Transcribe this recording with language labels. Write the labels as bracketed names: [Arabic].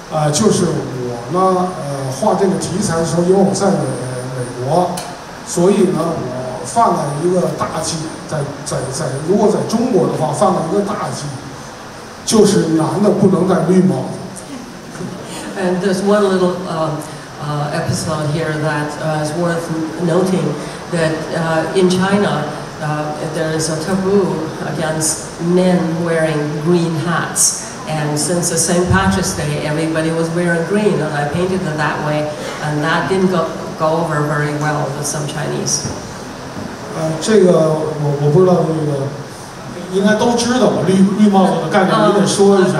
[Chinese] 就是我呢，画这个题材的时候，因为我在美国，所以呢，我犯了一个大忌，在如果在中国的话，犯了一个大忌，就是男的不能戴绿帽子。 [English] And there's one little episode here that is worth noting, that in China there is a taboo against men wearing green hats. And since the St. Patrick's Day, everybody was wearing green, and I painted them that way, and that didn't go over very well with some Chinese. [Chinese] 这个我不知道，这个应该都知道绿帽子的概念，你得说一下。